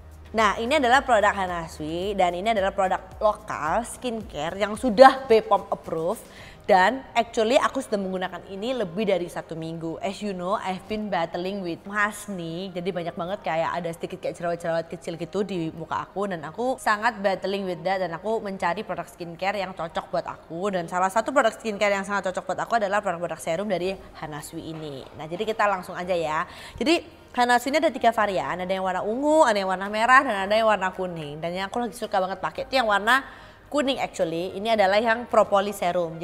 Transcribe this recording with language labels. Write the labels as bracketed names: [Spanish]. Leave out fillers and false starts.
[Indonesian] Nah ini adalah produk Hanasui dan ini adalah produk lokal skincare yang sudah BPOM approved. Dan actually aku sudah menggunakan ini lebih dari 1 minggu. [English] As you know, I've been battling with maskne. [Indonesian] Jadi banyak banget kayak ada sedikit kayak cerawat-cerawat kecil gitu di muka aku. Dan aku sangat [English] battling with that. [Indonesian] Dan aku mencari produk skincare yang cocok buat aku. Dan salah satu produk skincare yang sangat cocok buat aku adalah produk-produk serum dari Hanasui ini. Nah jadi kita langsung aja ya. Jadi Hanasui ini ada 3 varian. Ada yang warna ungu, ada yang warna merah, dan ada yang warna kuning. Dan yang aku lagi suka banget pakai itu yang warna kuning actually, ini adalah yang propolis serum.